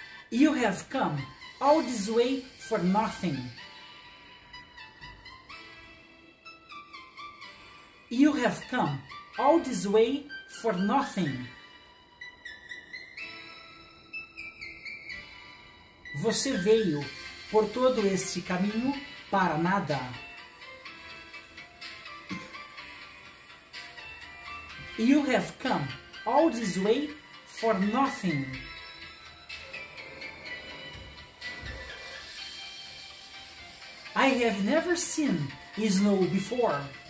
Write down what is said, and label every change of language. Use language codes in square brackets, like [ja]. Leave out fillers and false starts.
[en] You have come all this way for nothing. You have come all this way for nothing. [pt] Você veio por todo este caminho para nada. [en] You have come all this way for nothing. I have never seen snow before.